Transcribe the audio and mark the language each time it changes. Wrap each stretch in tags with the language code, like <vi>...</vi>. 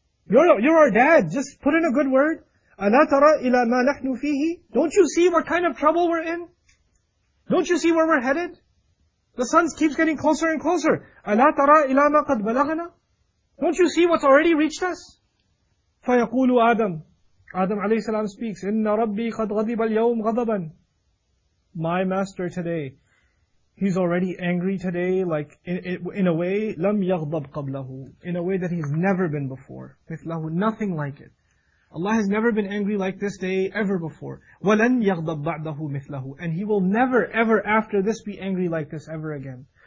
<en>You're our dad. Just put in a good word.</en> <ar>أَلَا تَرَى إِلَىٰ مَا نَحْنُ فِيهِ.</ar> <en>Don't you see what kind of trouble we're in? Don't you see where we're headed? The sun keeps getting closer and closer.</en> <ar>أَلَا تَرَى إِلَىٰ مَا قَدْ بَلَغَنَا.</ar> <en>Don't you see what's already reached us?</en> <ar>فَيَقُولُ Adam عليه السلام speaks, إِنَّ رَبِّي قَدْ غَضِبَ الْيَوْمْ غَضَبًا.</ar> <en>My master today, he's already angry today, like in a way,</en> <ar>لَمْ يَغْضَبْ قَبْلَهُ,</ar> <en>in a way that he's never been before. مِثْلَهُ, nothing like it. Allah has never been angry like this day ever before.</en> <ar>وَلَنْ يَغْضَبْ بَعْدَهُ مِثْلَهُ,</ar> <en>and he will never ever after this be angry like this ever again.</en>